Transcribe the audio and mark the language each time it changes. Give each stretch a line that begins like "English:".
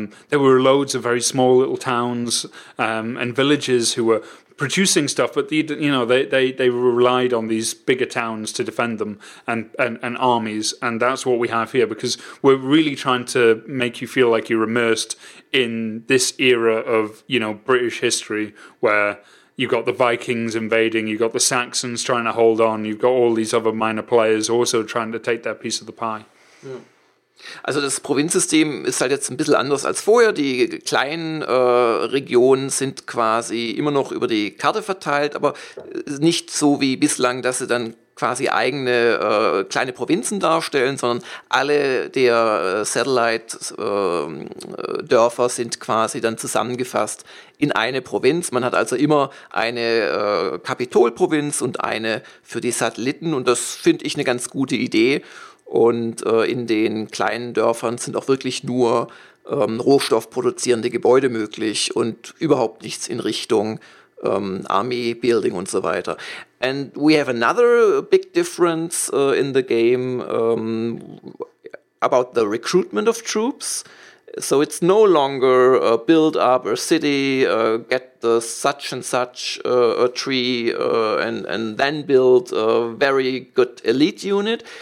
English: There were loads of very small little towns and villages who were producing stuff, but they relied on these bigger towns to defend them and armies, and that's what we have here, because we're really trying to make you feel like you're immersed in this era of, you know, British history, where you've got the Vikings invading, you've got the Saxons trying to hold on, you've got all these other minor players also trying to take their piece of the pie. Yeah.
German: Also das Provinzsystem ist halt jetzt ein bisschen anders als vorher. Die kleinen Regionen sind quasi immer noch über die Karte verteilt, aber nicht so wie bislang, dass sie dann quasi eigene kleine Provinzen darstellen, sondern alle der Satellite-Dörfer sind quasi dann zusammengefasst in eine Provinz. Man hat also immer eine Kapitolprovinz und eine für die Satelliten, und das finde ich eine ganz gute Idee. Und in den kleinen Dörfern sind auch wirklich nur rohstoffproduzierende Gebäude möglich und überhaupt nichts in Richtung
English: Army Building
German: und so weiter.
English: And we have another big difference in the game about the recruitment of troops. So it's no longer build up a city, get the such and such a tree, and then build a very good elite unit.